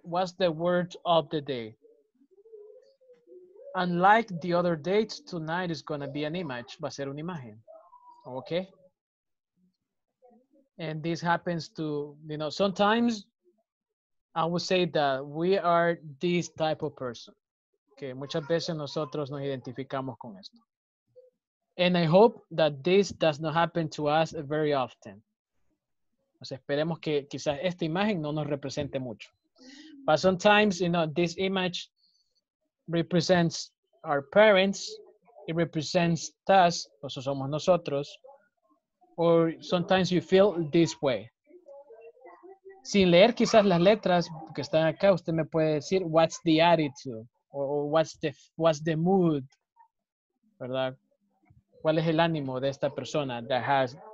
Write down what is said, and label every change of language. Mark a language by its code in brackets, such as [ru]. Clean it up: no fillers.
[en] What's the word of the day? Unlike the other dates, tonight is going to be an image. [es] Va a ser una imagen. [en] Okay? And this happens to, you know, sometimes I would say that we are this type of person. [es] Okay, muchas veces nosotros nos identificamos con esto. [en] And I hope that this does not happen to us very often. [es] O sea, esperemos que quizás esta imagen no nos represente mucho. [en] But sometimes, you know, this image represents our parents. It represents us, [es] o sea, somos nosotros. [en] Or sometimes you feel this way. [es] Sin leer quizás las letras que están acá, usted me puede decir [en] what's the attitude or what's the mood, [es] ¿verdad? ¿Cuál es el ánimo de esta persona [en] that has